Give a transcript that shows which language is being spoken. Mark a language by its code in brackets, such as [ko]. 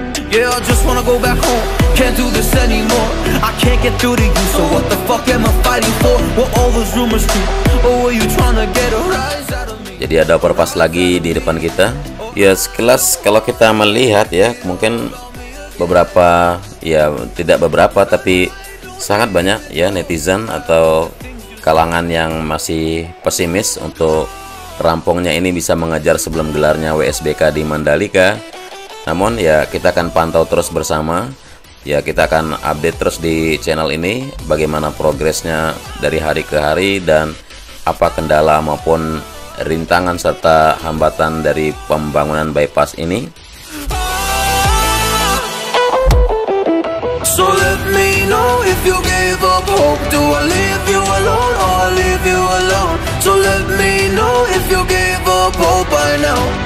[en] Yeah, I just wanna go back home. Can't do this anymore. I can't get through to you. So what the fuck am I fighting for? What all those rumors do? Oh, are you trying to get a rise out of me? [id] Jadi ada overpass lagi di depan kita. Ya, sekilas kalau kita melihat ya, mungkin beberapa, ya tidak beberapa, tapi sangat banyak ya netizen atau kalangan yang masih pesimis untuk rampungnya ini bisa mengejar sebelum gelarnya WSBK di Mandalika. Namun ya, kita akan pantau terus bersama. Ya, kita akan update terus di channel ini bagaimana progresnya dari hari ke hari dan apa kendala maupun rintangan serta hambatan dari pembangunan bypass ini. [en] So let me know if you gave up hope. Do I leave you alone or I leave you alone? So let me know if you gave up hope by now.